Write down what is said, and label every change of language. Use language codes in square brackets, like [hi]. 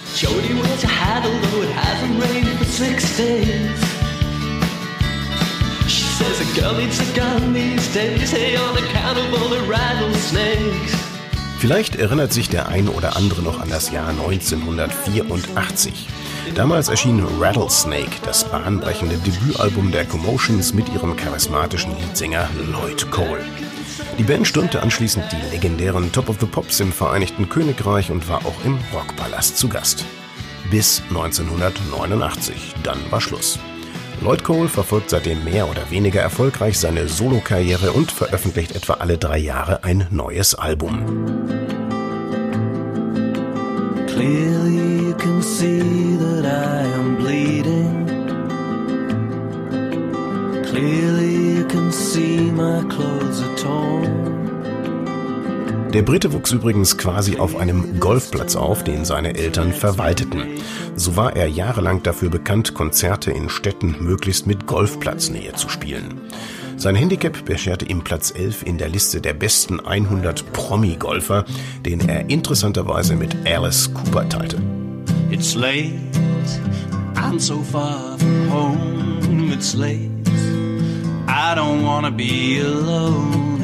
[en] Jody went to Hadle, though it hasn't rained for 6 days. She says a girl needs a gun these days, hey, on account of all the rattlesnakes. [de] Vielleicht erinnert sich der ein oder andere noch an das Jahr 1984. Damals erschien Rattlesnake, das bahnbrechende Debütalbum der Commotions mit ihrem charismatischen Leadsänger Lloyd Cole. Die Band stürmte anschließend die legendären Top of the Pops im Vereinigten Königreich und war auch im Rockpalast zu Gast. Bis 1989, dann war Schluss. Lloyd Cole verfolgt seitdem mehr oder weniger erfolgreich seine Solokarriere und veröffentlicht etwa alle 3 Jahre ein neues Album. [en] Clearly you can see that I am bleeding. Clearly you can see my clothes are torn. [de] Der Brite wuchs übrigens quasi auf einem Golfplatz auf, den seine Eltern verwalteten. So war er jahrelang dafür bekannt, Konzerte in Städten möglichst mit Golfplatznähe zu spielen. Sein Handicap bescherte ihm Platz 11 in der Liste der besten 100 Promi-Golfer, den er interessanterweise mit Alice Cooper teilte. [en] It's late, I'm so far from home. It's late, I don't wanna be alone.